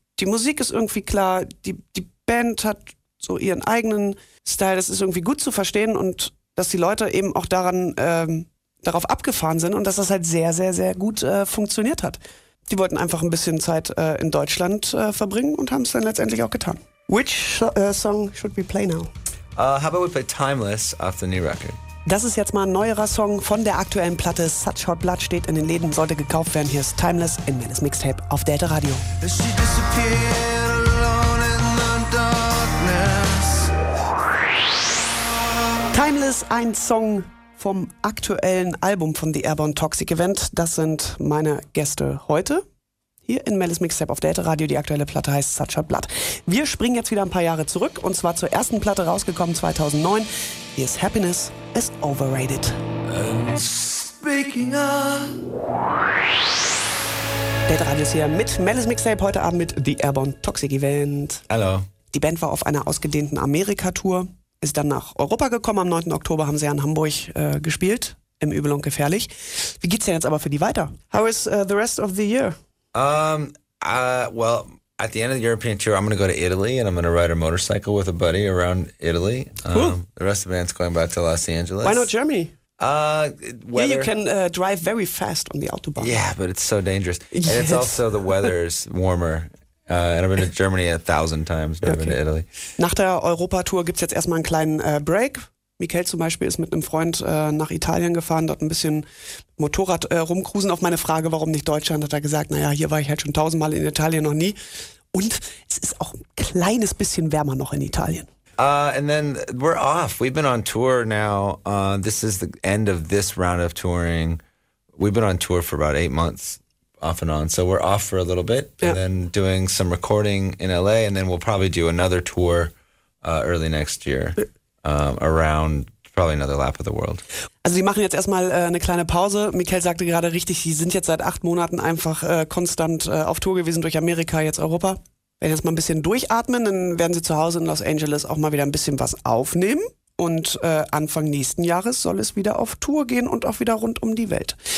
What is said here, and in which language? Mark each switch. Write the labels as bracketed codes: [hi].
[de] die Musik ist irgendwie klar, die Band hat so ihren eigenen Style, das ist irgendwie gut zu verstehen und dass die Leute eben auch daran darauf abgefahren sind und dass das halt sehr, sehr, sehr gut funktioniert hat. Die wollten einfach ein bisschen Zeit in Deutschland verbringen und haben es dann letztendlich auch getan. [en] Which song should we play now? How about we play Timeless off the new record? [de] Das ist jetzt mal ein neuerer Song von der aktuellen Platte. Such Hot Blood steht in den Läden, sollte gekauft werden. Hier ist Timeless in Melle's Mixtape auf Delta Radio. Timeless, ein Song vom aktuellen Album von The Airborne Toxic Event. Das sind meine Gäste heute. Hier in Melle's Mixtape auf Delta Radio. Die aktuelle Platte heißt Such a Blood. Wir springen jetzt wieder ein paar Jahre zurück und zwar zur ersten Platte rausgekommen 2009. Hier ist Happiness is Overrated. [en] Speaking of. [de] Delta Radio ist hier mit Melle's Mixtape heute Abend mit The Airborne Toxic Event. Hallo. Die Band war auf einer ausgedehnten Amerika-Tour, ist dann nach Europa gekommen. Am 9. Oktober haben sie ja in Hamburg gespielt, im Übel und Gefährlich. Wie geht's denn jetzt aber für die weiter? [en] How is the rest of the year? Well, at the end of the European tour, I'm going to go to Italy and I'm going to ride a motorcycle with a buddy around Italy. Cool. The rest of the band's going back to Los Angeles. Why not Germany? Weather. Yeah, you can drive very fast on the Autobahn. Yeah, but it's so dangerous. Yes. And it's also the weather's warmer. And I've been to Germany 1,000 times, never been to Italy. [de] Nach der Europa-Tour gibt's jetzt erstmal einen kleinen Break. Michael zum Beispiel ist mit einem Freund nach Italien gefahren, dort ein bisschen Motorrad rumcruisen. Auf meine Frage, warum nicht Deutschland, hat er gesagt, naja, hier war ich halt schon 1,000 Mal in Italien, noch nie. Und es ist auch ein kleines bisschen wärmer noch in Italien. [en] And then we're off. We've been on tour now. This is the end of this round of touring. We've been on tour for about 8 months off and on. So we're off for a little bit and then doing some recording in LA and then we'll probably do another tour early next year. Around probably another lap of the world. [de] Also sie machen jetzt erstmal eine kleine Pause. Michael sagte gerade richtig, sie sind jetzt seit 8 Monaten einfach konstant auf Tour gewesen durch Amerika, jetzt Europa. Wenn jetzt mal ein bisschen durchatmen, dann werden sie zu Hause in Los Angeles auch mal wieder ein bisschen was aufnehmen. Und Anfang nächsten Jahres soll es wieder auf Tour gehen und auch wieder rund um die Welt.